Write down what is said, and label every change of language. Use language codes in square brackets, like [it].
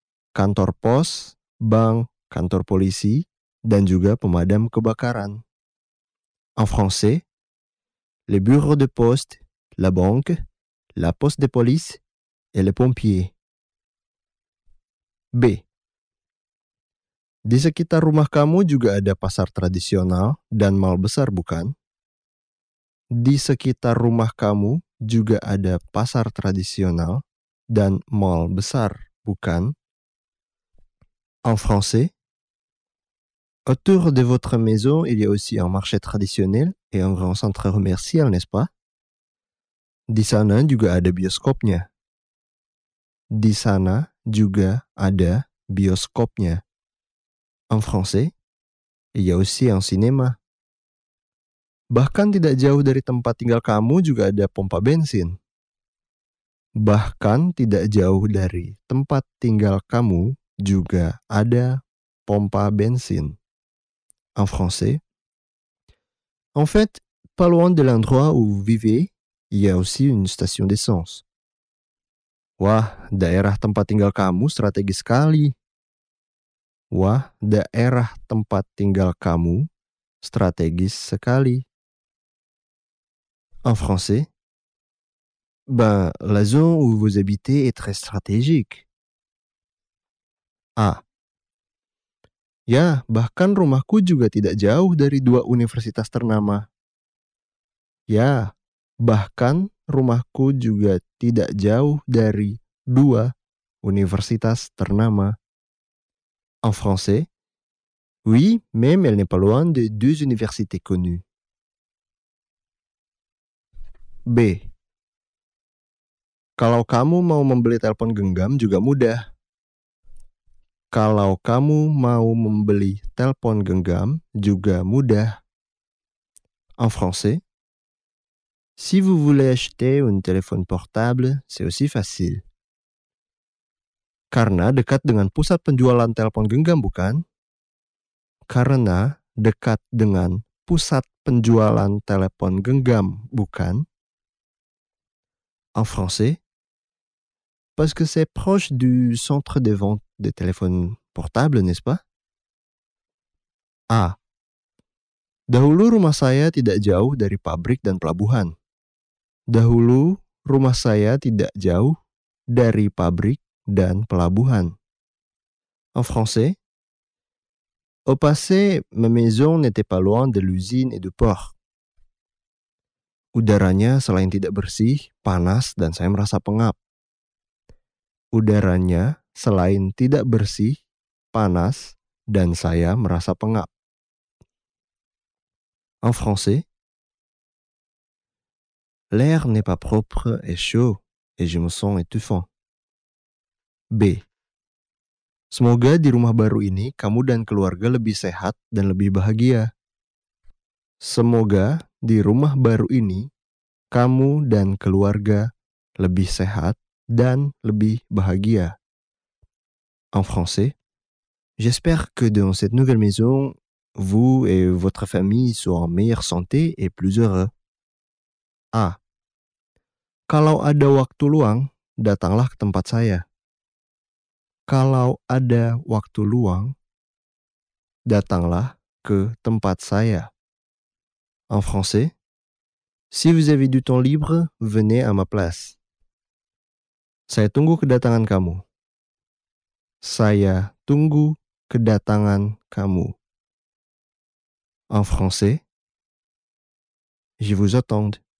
[id] Kantor pos, bank, kantor polisi, dan juga pemadam kebakaran. [fr] En français, les bureaux de poste, la banque, la poste de police et les pompiers. B. [id] Di sekitar rumah kamu juga ada pasar tradisional dan mal besar, bukan? Di sekitar rumah kamu juga ada pasar tradisional dan mal besar, bukan? [fr] En français, autour de votre maison, il y a aussi un marché traditionnel et un grand centre commercial, n'est-ce pas? [id] Di sana juga ada bioskopnya. Di sana juga ada bioskopnya. [fr] En français, il y a aussi un cinéma. [id] Bahkan tidak jauh dari tempat tinggal kamu juga ada pompa bensin. Bahkan tidak jauh dari tempat tinggal kamu juga ada pompa bensin. [fr] En français. En fait, pas loin de l'endroit où vous vivez, il y a aussi une station d'essence. [id] Wah, daerah tempat tinggal kamu strategis sekali. Wah, daerah tempat tinggal kamu strategis sekali. [fr] En français. Ben, la zone où vous habitez est très stratégique. A. [id] Ya, bahkan rumahku juga tidak jauh dari dua universitas ternama. Ya, bahkan rumahku juga tidak jauh dari dua universitas ternama. [fr] En français, oui, même elle n'est pas loin de deux universités connues. B. [id] Kalau kamu mau membeli telepon genggam juga mudah. Kalau kamu mau membeli telepon genggam juga mudah. [fr] En français, si vous voulez acheter un téléphone portable, c'est aussi facile. [id] Karena dekat dengan pusat penjualan telepon genggam, bukan? Karena dekat dengan pusat penjualan telepon genggam, bukan? [fr] En français, parce que c'est proche du centre de vente de téléphones portables, n'est-ce pas? A. [id] Dahulu rumah saya tidak jauh dari pabrik dan pelabuhan. Dahulu rumah saya tidak jauh dari pabrik dan pelabuhan. [fr] En français, au passé, ma maison n'était pas loin de l'usine et du port. [id] Udaranya selain tidak bersih, panas, dan saya merasa pengap. Udaranya selain tidak bersih, panas, dan saya merasa pengap. [fr] En français, l'air n'est pas propre et chaud, et je me sens étouffant. B. [id] Semoga di rumah baru ini kamu dan keluarga lebih sehat dan lebih bahagia. Semoga di rumah baru ini kamu dan keluarga lebih sehat dan lebih bahagia. [fr] En français, j'espère que dans cette nouvelle maison, vous et votre famille soyez en meilleure santé et plus heureux. A. [id] Kalau ada waktu luang, datanglah ke tempat saya. Kalau ada waktu luang, datanglah ke tempat saya. [fr] En français, si vous avez du temps libre, venez à ma place. [id] Saya tunggu kedatangan kamu. Saya tunggu kedatangan kamu. [fr] En français, je vous attends.